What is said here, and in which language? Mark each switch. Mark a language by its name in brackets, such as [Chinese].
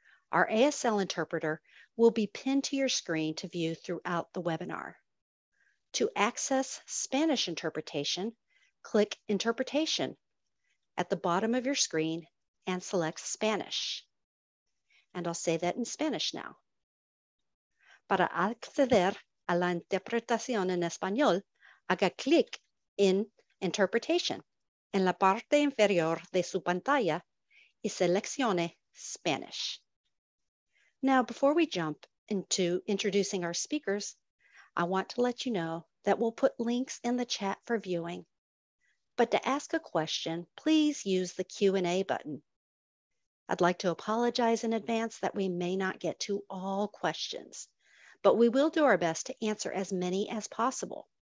[English] Our ASL interpreter will be pinned to your screen to view throughout the webinar. To access Spanish interpretation, click Interpretation at the bottom of your screen and select Spanish. And I'll say that in Spanish now. [Spanish] Para acceder a la interpretación en español, haga clic en Interpretation en la parte inferior de su pantalla y seleccione Spanish. [English] Now, before we jump into introducing our speakers, I want to let you know that we'll put links in the chat for viewing. But to ask a question, please use the Q&A button. I'd like to apologize in advance that we may not get to all questions, but we will do our best to answer as many as possible.